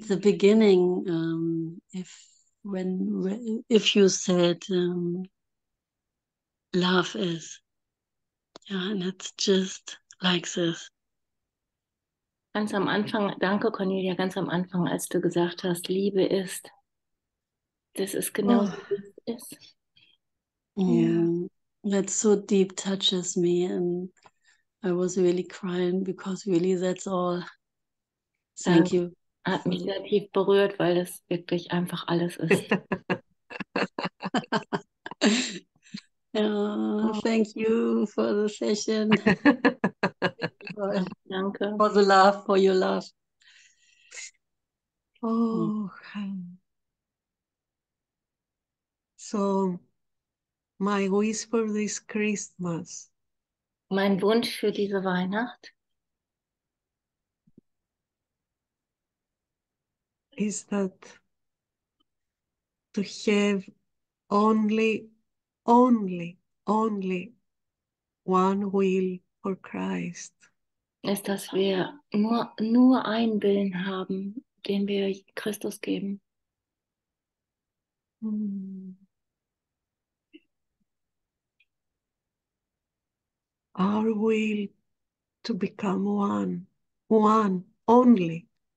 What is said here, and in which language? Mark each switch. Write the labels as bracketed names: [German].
[English] the beginning, if you said love is, and it's just like this. [German] Ganz am Anfang, danke Cornelia, ganz am Anfang, als du gesagt hast, Liebe ist, das ist genau [English] Oh, [German] so, wie es ist. Ja. [English] that so deep touches me, and I was really crying because really that's all. Thank [German] Das [English] you. [German] hat mich sehr tief berührt, weil das wirklich einfach alles ist. [English] Oh, thank you for the session. [German] Danke. [English] For the love, for your love. Oh, so my wish for this Christmas. [German] Mein Wunsch für diese Weihnacht [English] Is that to have only one will for Christ? [German] ist, dass wir nur einen Willen haben, den wir Christus geben. [English] Our will to become one, only.